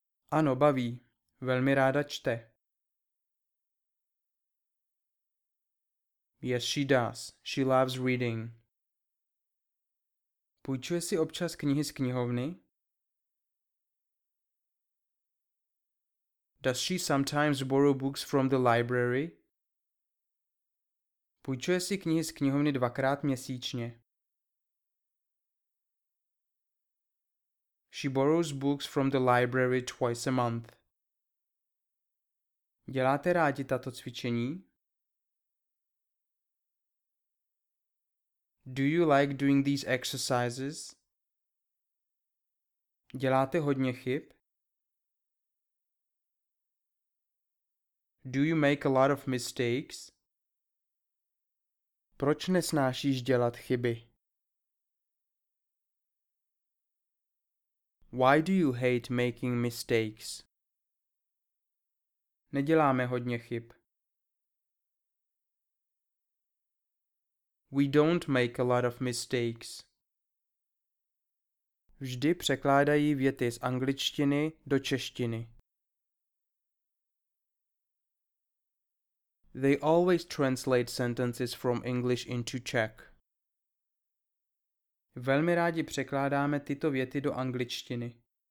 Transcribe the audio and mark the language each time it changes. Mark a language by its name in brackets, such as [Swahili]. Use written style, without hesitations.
[Czech] Ano, baví. Velmi ráda čte. [English] Yes, she does. She loves reading. [Czech] Půjčuje si občas knihy z knihovny? [English] Does she sometimes borrow books from the library? [Czech] Půjčuje si knihy z knihovny dvakrát měsíčně. [English] She borrows books from the library twice a month. [Czech] Děláte rádi tato cvičení? [English] Do you like doing these exercises? [Czech] Děláte hodně chyb? [English] Do you make a lot of mistakes? [Czech] Proč nesnášíš dělat chyby? [English] Why do you hate making mistakes? [Czech] Neděláme hodně chyb. [English] We don't make a lot of mistakes. [Czech] Vždy překládají věty z angličtiny do češtiny. [English] They always translate sentences from English into Czech. [Czech] Velmi rádi překládáme tyto věty do angličtiny.